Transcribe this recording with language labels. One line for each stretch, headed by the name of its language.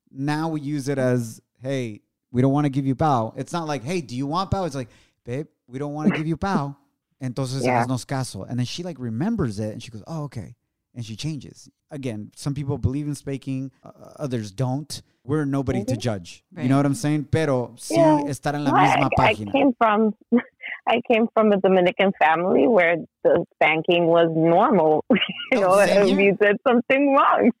English: Now we use it as, hey, we don't want to give you bow. It's not like, hey, do you want bow? It's like, babe, we don't want to give you bow.
Spanish: Entonces,
English: yeah.
Spanish: haznos caso.
English: And then she like remembers it and she goes, oh, okay. And she changes. Again, some people believe in spanking. Others don't. We're nobody mm-hmm. to judge. Right. You know what I'm saying?
Spanish: Pero sí estar en la misma página.
English: I came from a Dominican family where the spanking was normal. You know, if you did something wrong.